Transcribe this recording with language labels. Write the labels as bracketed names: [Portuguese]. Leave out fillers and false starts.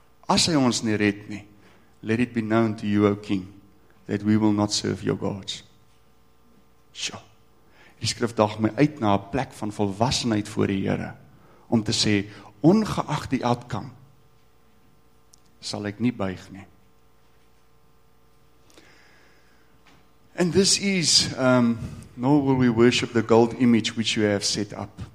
[Afrikaans] As hy ons nie red nie, [English] let it be known to you, O King, that we will not serve your gods. [Afrikaans] Sjo, die skrif daag my uit na 'n plek van volwassenheid voor die Here, om te sê, ongeacht die outcome, sal ek nie buig nie. [English] And this is, nor will we worship the gold image which you have set up.